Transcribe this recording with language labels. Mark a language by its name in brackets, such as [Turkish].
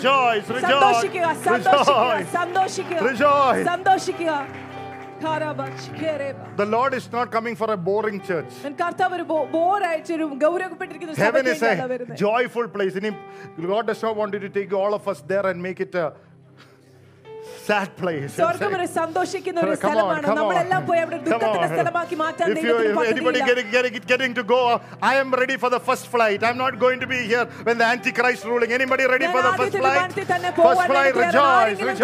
[English] Come on. Rejoice. Rejoice. The Lord is not coming for a boring church. Heaven is a joyful place. God does not want you to take all of us there and make it a sad place. [Malayalam] സ്വർഗ്ഗം ഒരു സന്തോഷിക്കുന്ന ഒരു സ്ഥലമാണ്. നമ്മളെല്ലാം പോയി അവിടെ ദുഃഖത്തിന്റെ സ്ഥലമാക്കി മാറ്റാൻ ദൈവത്തിന് പദ്ധതിയില്ല. [English] Getting to go. I am ready for the first flight. I'm not going to be here when the Antichrist ruling. Anybody ready for the first flight? First flight, rejoice.